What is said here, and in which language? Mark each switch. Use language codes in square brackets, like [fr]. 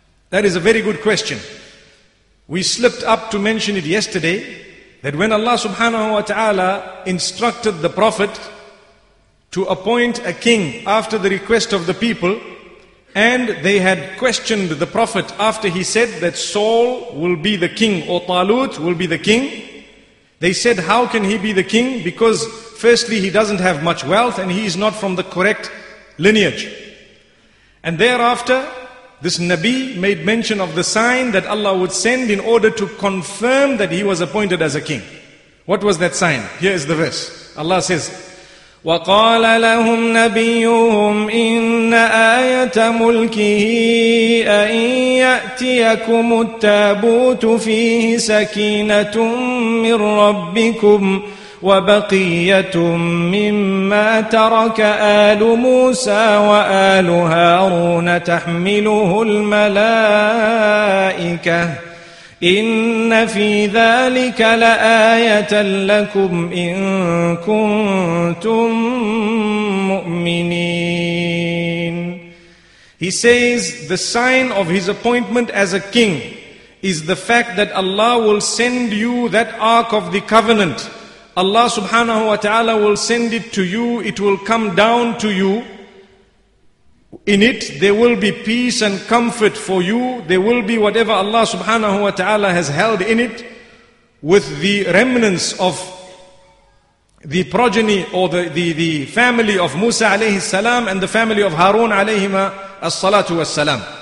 [en] That is a very good question. We slipped up to mention it yesterday, that when Allah subhanahu wa ta'ala instructed the Prophet to appoint a king after the request of the people, and they had questioned the Prophet after he said that Saul will be the king, or Talut will be the king, they said, how can he be the king? Because firstly, he doesn't have much wealth and he is not from the correct lineage. And thereafter, this Nabi made mention of the sign that Allah would send in order to confirm that he was appointed as a king. What was that sign? Here is the verse. Allah says, [ar] وَقَالَ لَهُمْ نَبِيُّهُمْ إِنَّ آيَةَ مُلْكِهِ أَنْ يَأْتِيَكُمُ التَّابُوتُ فِيهِ سَكِينَةٌ مِّنْ رَبِّكُمْ وَبَقِيَّةٌ مِّمَّا تَرَكَ آلُ مُوسَى وَآلُ هَارُونَ تَحْمِلُهُ الْمَلَائِكَةُ إن في ذلك لآية لكم إن كنتم مؤمنين. [en] He says the sign of his appointment as a king is the fact that Allah will send you that Ark of the Covenant. Allah subhanahu wa ta'ala will send it to you. It will come down to you. In it, there will be peace and comfort for you. There will be whatever Allah subhanahu wa ta'ala has held in it, with the remnants of the progeny or the family of Musa alayhi salam and the family of Harun alayhi as-salatu was-salam.